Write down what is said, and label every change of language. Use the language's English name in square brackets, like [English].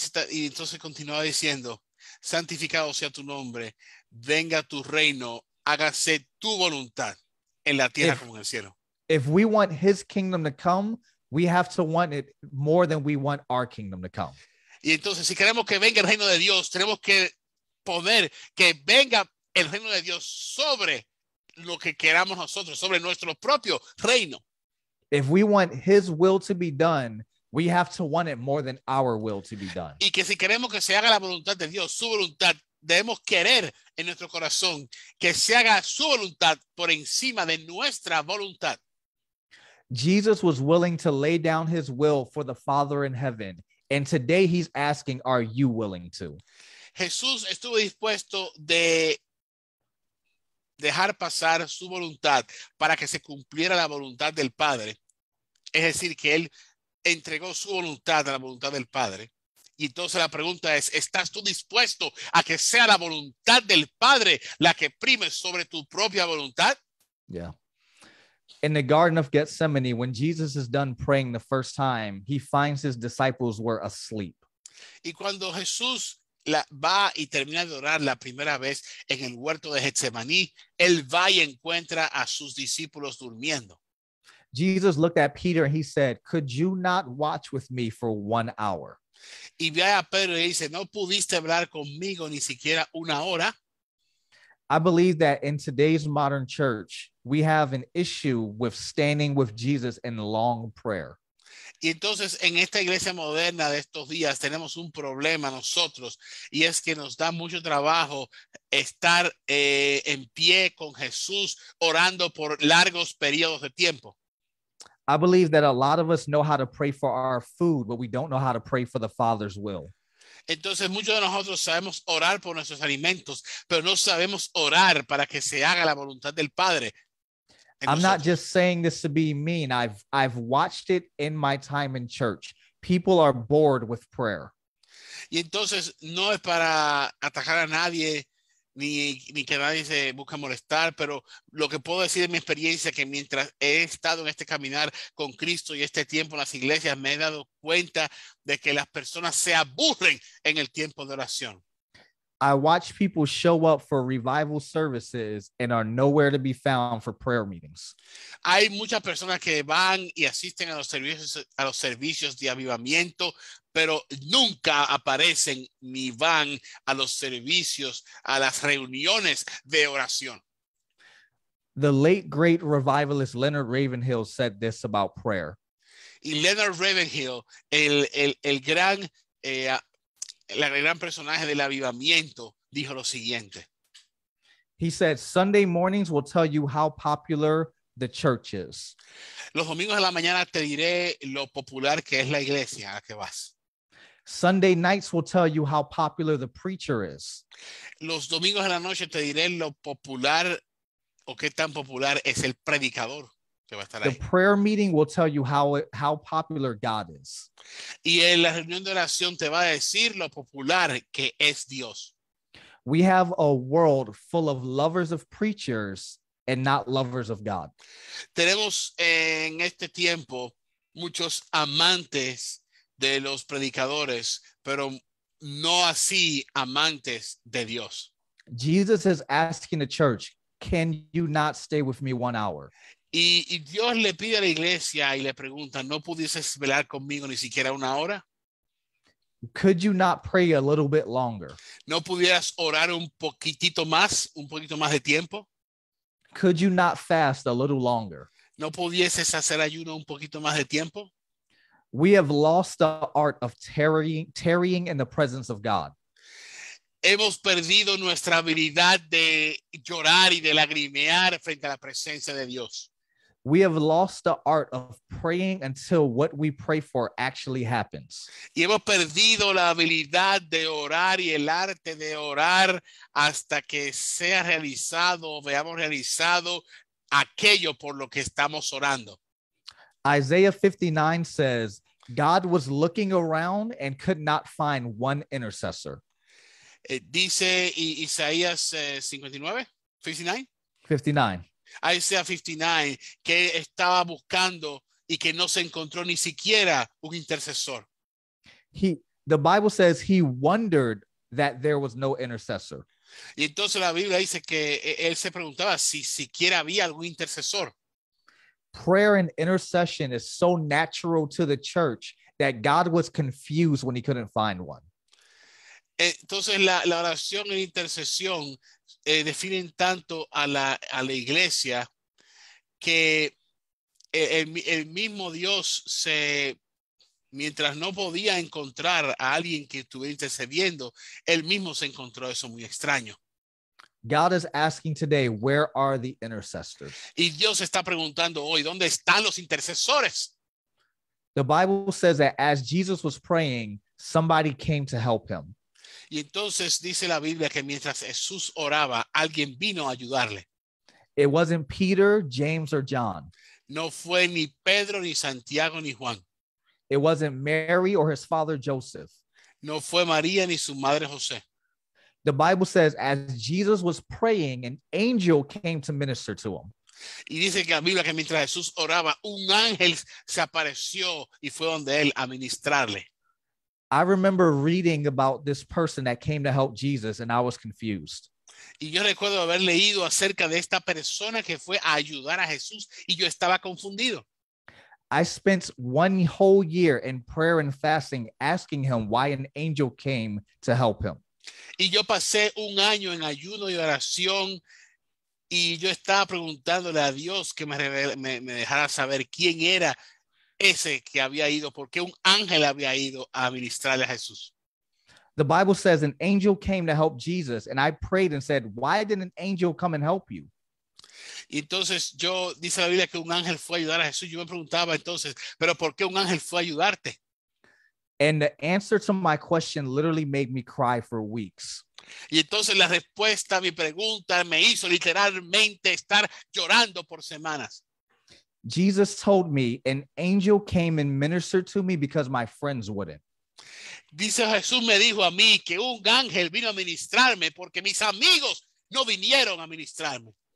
[Spanish] Y entonces continuaba diciendo, santificado sea tu nombre, venga tu reino, hágase tu voluntad en la tierra como en el cielo. [English] If we want his kingdom to come, we have to want it more than we want our kingdom to come. [Spanish] Y entonces, si queremos que venga el reino de Dios, tenemos que poner que venga el reino de Dios sobre lo que queramos nosotros, sobre nuestro propio reino. [English] If we want his will to be done, we have to want it more than our will to be done. [Spanish] Y que si queremos que se haga la voluntad de Dios, su voluntad, debemos querer en nuestro corazón que se haga su voluntad por encima de nuestra voluntad. [English] Jesus was willing to lay down his will for the Father in heaven. And today he's asking, are you willing to? [Spanish] Jesús estuvo dispuesto de dejar pasar su voluntad para que se cumpliera la voluntad del Padre. Es decir, que él entregó su voluntad a la voluntad del Padre. Y entonces la pregunta es, ¿estás tú dispuesto a que sea la voluntad del Padre la que prime sobre tu propia voluntad? [English] Yeah. In the Garden of Gethsemane, when Jesus is done praying the first time, he finds his disciples were asleep. [Spanish] Y cuando Jesús va y termina de orar la primera vez en el huerto de Getsemaní, él va y encuentra a sus discípulos durmiendo. [English] Jesus looked at Peter and he said, "Could you not watch with me for 1 hour?" [Spanish] Y ve a Pedro y dice, "¿No pudiste hablar conmigo ni siquiera una hora?" [English] I believe that in today's modern church, we have an issue with standing with Jesus in long prayer. [Spanish] Y entonces, en esta iglesia moderna de estos días, tenemos un problema nosotros, y es que nos da mucho trabajo estar en pie con Jesús orando por largos periodos de tiempo. [English] I believe that a lot of us know how to pray for our food, but we don't know how to pray for the Father's will. [Spanish] Entonces, muchos de nosotros sabemos orar por nuestros alimentos, pero no sabemos orar para que se haga la voluntad del Padre. [English] I'm not just saying this to be mean. I've watched it in my time in church. People are bored with prayer. [Spanish] Y entonces, no es para atacar a nadie, ni que nadie se busque molestar, pero lo que puedo decir de mi experiencia es que mientras he estado en este caminar con Cristo y este tiempo en las iglesias, me he dado cuenta de que las personas se aburren en el tiempo de oración. [English] I watch people show up for revival services and are nowhere to be found for prayer meetings. [Spanish] Hay muchas personas que van y asisten a los servicios de avivamiento, pero nunca aparecen ni van a los servicios, a las reuniones de oración. [English] The late great revivalist Leonard Ravenhill said this about prayer. [Spanish] Y Leonard Ravenhill, el gran el gran personaje del avivamiento, dijo lo siguiente. [English] He said, Sunday mornings will tell you how popular the church is. [Spanish] Los domingos de la mañana te diré lo popular que es la iglesia a la que vas. [English] Sunday nights will tell you how popular the preacher is. [Spanish] Los domingos de la noche te diré lo popular o qué tan popular es el predicador. [English] The prayer meeting will tell you how popular God is. [Spanish] Y en la reunión de oración te va a decir lo popular que es Dios. [English] We have a world full of lovers of preachers and not lovers of God. [Spanish] Tenemos en este tiempo muchos amantes de los predicadores, pero no así amantes de Dios. [English] Jesus is asking the church, can you not stay with me 1 hour? [Spanish] Y Dios le pide a la iglesia y le pregunta, ¿no pudieses velar conmigo ni siquiera una hora? [English] Could you not pray a little bit longer? [Spanish] ¿No pudieras orar un poquito más de tiempo? [English] Could you not fast a little longer? [Spanish] ¿No pudieses hacer ayuno un poquito más de tiempo? [English] We have lost the art of tarrying in the presence of God. [Spanish] Hemos perdido nuestra habilidad de llorar y de lagrimear frente a la presencia de Dios. [English] We have lost the art of praying until what we pray for actually happens. [Spanish] Y hemos perdido la habilidad de orar y el arte de orar hasta que sea realizado o veamos realizado aquello por lo que estamos orando. [English] Isaiah 59 says, God was looking around and could not find one intercessor. [Spanish] Dice Isaías 59 que estaba buscando y que no se encontró ni siquiera un intercesor. [English] The Bible says he wondered that there was no intercessor. [Spanish] Y entonces la Biblia dice que él se preguntaba si siquiera había algún intercesor. [English] Prayer and intercession is so natural to the church that God was confused when he couldn't find one. [Spanish] Entonces la oración e intercesión definen tanto a la iglesia que el mismo Dios se, mientras no podía encontrar a alguien que estuviera intercediendo, él mismo se encontró eso muy extraño. [English] God is asking today, where are the intercessors? [Spanish] Y Dios está preguntando hoy, ¿dónde están los intercesores? [English] The Bible says that as Jesus was praying, somebody came to help him. [Spanish] Y entonces dice la Biblia que mientras Jesús oraba, alguien vino a ayudarle. [English] It wasn't Peter, James, or John. [Spanish] No fue ni Pedro, ni Santiago, ni Juan. [English] It wasn't Mary or his father Joseph. [Spanish] No fue María ni su madre José. [English] The Bible says as Jesus was praying, an angel came to minister to him. [Spanish] Y dice que la Biblia que mientras Jesús oraba, un ángel se apareció y fue donde él a ministrarle. [English] I remember reading about this person that came to help Jesus and I was confused. [Spanish] Y yo recuerdo haber leído acerca de esta persona que fue a ayudar a Jesús y yo estaba confundido. [English] I spent one whole year in prayer and fasting asking him why an angel came to help him. [Spanish] Y yo pasé un año en ayuno y oración y yo estaba preguntándole a Dios que me dejara saber quién era ese que había ido, porque un ángel había ido a ministrarle a Jesús. [English] The Bible says an angel came to help Jesus, and I prayed and said, why did an angel come and help you? [Spanish] Entonces yo, dice la Biblia que un ángel fue a ayudar a Jesús. Yo me preguntaba entonces, ¿pero por qué un ángel fue a ayudarte? [English] And the answer to my question literally made me cry for weeks. [Spanish] Y entonces la respuesta a mi pregunta me hizo literalmente estar llorando por semanas. [English] Jesus told me an angel came and ministered to me because my friends wouldn't. [Spanish] Dice Jesús me dijo a mí que un ángel vino a ministrarme porque mis amigos no vinieron a ministrarme.